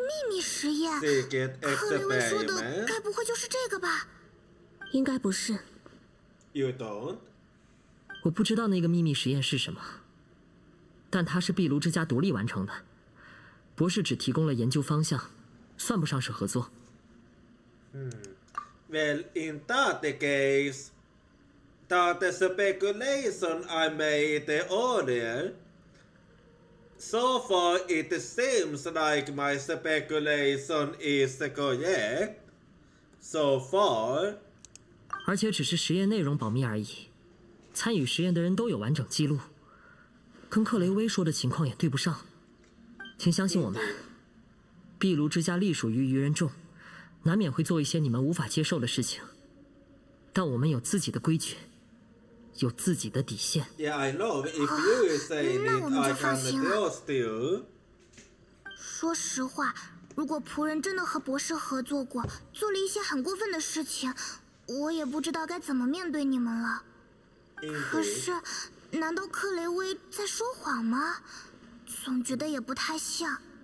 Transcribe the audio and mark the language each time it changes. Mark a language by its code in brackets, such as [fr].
[zh] 秘密实验，克雷威说的该不会就是这个吧？应该不是。 [en] You don't? [zh] 我不知道那个秘密实验是什么，但它是碧卢之家独立完成的，博士只提供了研究方向，算不上是合作。 [en] Well, in that case, that speculation I made earlier. So far, it seems like my speculation is correct. So far. [zh] 而且只是实验内容保密而已，参与实验的人都有完整记录，跟克雷威说的情况也对不上。请相信我们，碧卢之家隶属于愚人众，难免会做一些你们无法接受的事情，但我们有自己的规矩。有自己的底线。 [en] Yeah, I know. If you say it, I can trust you. [zh] 说实话，如果仆人真的和博士合作过，做了一些很过分的事情，我也不知道该怎么面对你们了。可是，难道克雷威在说谎吗？总觉得也不太像。